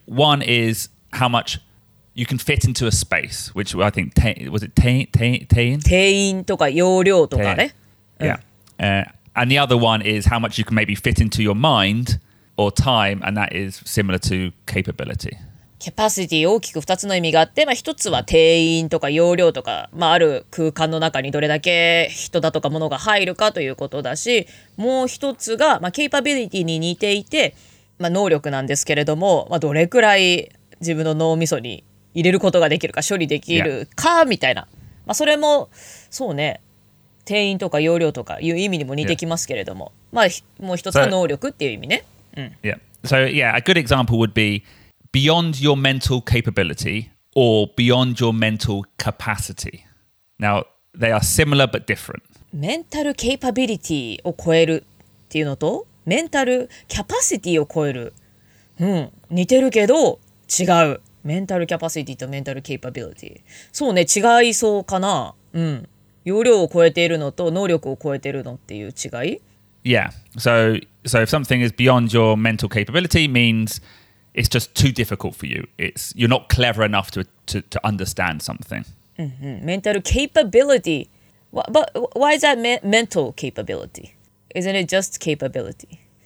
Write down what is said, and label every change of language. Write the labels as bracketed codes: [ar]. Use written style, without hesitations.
[en] One is how much you can fit into a space, which I think, was it 定員? [ja] 定員とか容量とかね。 [en] Yeah. And the other one is how much you can maybe fit into your mind or time, and that is similar to capability. [ja] Capacity 大きく2つの意味があって、まあ、1つは定員とか容量とか、まあ、ある空間の中にどれだけ人だとか物が入るかということだし、もう1つが、まあ、capability に似ていて、まあ、能力なんですけれども、まあ、どれくらい自分の脳みそに入れることができるか処理できるかみたいな、まあ、それもそうね、定員とか容量とかいう意味にも似てきますけれども、まあ、もう1つは能力っていう意味ね。 [en] So, yeah. So yeah, a good example would be beyond your mental capability or beyond your mental capacity. Now, they are similar but different. [ja] Mental capability を超えるっていうのと、mental capacity を超える。うん、似てるけど違う。Mental capacity と mental capability。そうね、違いそうかな。うん、容量を超えているのと能力を超えているのっていう違い。 [en] Yeah. So if something is beyond your mental capability means it's just too difficult for you. It's you're not clever enough to understand something. Mm-hmm. Mental capability. But why is that mental capability? Isn't it just capability?